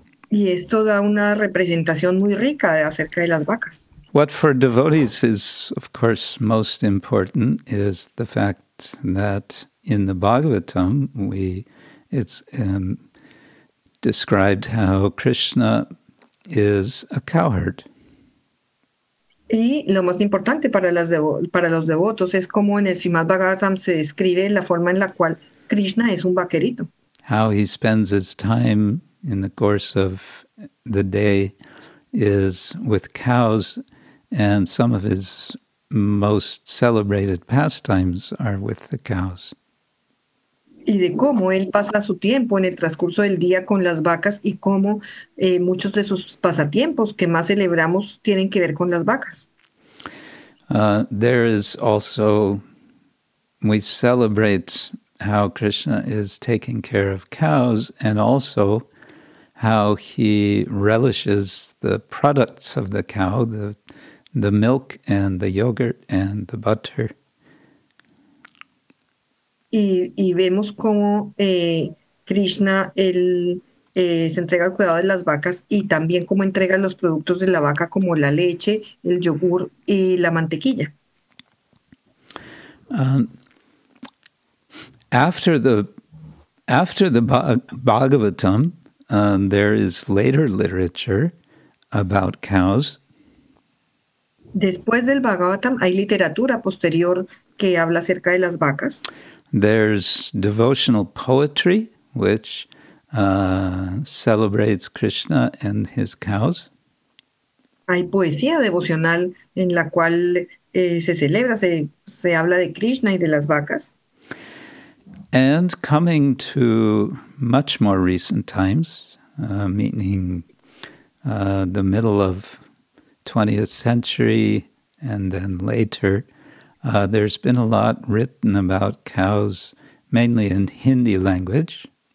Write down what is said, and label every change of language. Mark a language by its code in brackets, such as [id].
[es] Y esto da una representación muy rica acerca de las vacas. [en] What for devotees is, of course, most important is the fact that in the Bhagavatam, it's described how Krishna is a cowherd. [es] Y lo más importante para los devotos es cómo en el Srimad Bhagavatam se describe la forma en la cual Krishna es un vaquerito. [en] How he spends his time in the course of the day is with cows. And some of his most celebrated pastimes are with the cows. [es] Y de cómo él pasa su tiempo en el transcurso del día con las vacas y cómo muchos de sus pasatiempos que más celebramos tienen que ver con las vacas. [en] There is also, we celebrate how Krishna is taking care of cows and also how he relishes the products of the cow, the milk and the yogurt and the butter. [es] Y vemos cómo Krishna se entrega al cuidado de las vacas y también cómo entrega los productos de la vaca como la leche, el yogur y la mantequilla. [en] After the Bhagavatam, there is later literature about cows. [es] Después del Bhagavatam hay literatura posterior que habla acerca de las vacas. [en] There's devotional poetry which celebrates Krishna and his cows. [es] Hay poesía devocional en la cual se habla de Krishna y de las vacas. [en] And coming to much more recent times, meaning the middle of 20th century and then later, there's been a lot written about cows, mainly in Hindi language.